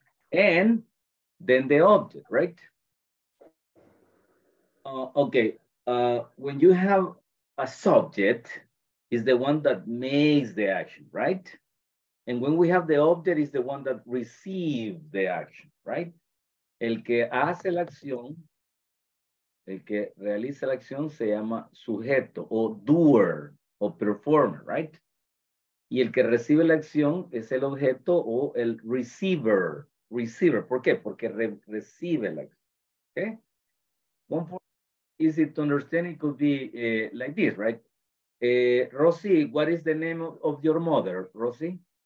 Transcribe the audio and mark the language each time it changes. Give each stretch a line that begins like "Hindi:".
English: And then the object, right? Okay. When you have a subject, is the one that makes the action, right? And when we have the object, is the one that receives the action, right?
Spanish: El que hace la acción, el que realiza la acción se llama sujeto o doer o performer,
English: right?
Spanish: Y el que recibe la acción es el objeto o el receiver. Receiver, ¿por qué? Porque recibe la acción, ¿ok?
English: Easy to understand, it could be like this, right? Rosy, what is the name of your mother, Rosy?